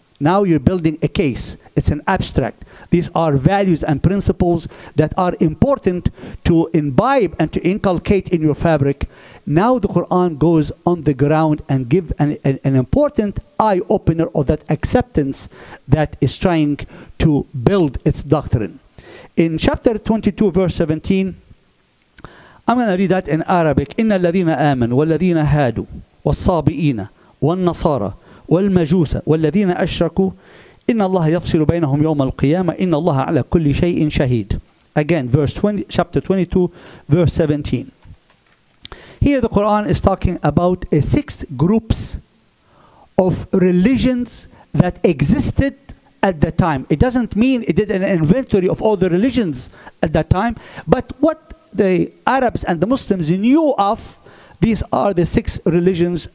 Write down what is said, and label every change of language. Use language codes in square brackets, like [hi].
[en] Now you're building a case. It's an abstract. These are values and principles that are important to imbibe and to inculcate in your fabric. Now the Quran goes on the ground and give an important eye-opener of that acceptance that is trying to build its doctrine. In chapter 22, verse 17, I'm going to read that in Arabic. [ar] إن الذين آمنوا والذين هادوا والصابئين والنصارى والمجوس والذين أشركوا إن الله يفصل بينهم يوم القيامة إن الله على كل شيء شهيد. [en] Again, verse 20, chapter 22, verse 17. Here the Quran is talking about a six groups of religions that existed at the time. It doesn't mean it did an inventory of all the religions at that time, but what the Arabs and the Muslims knew of, these are the six religions.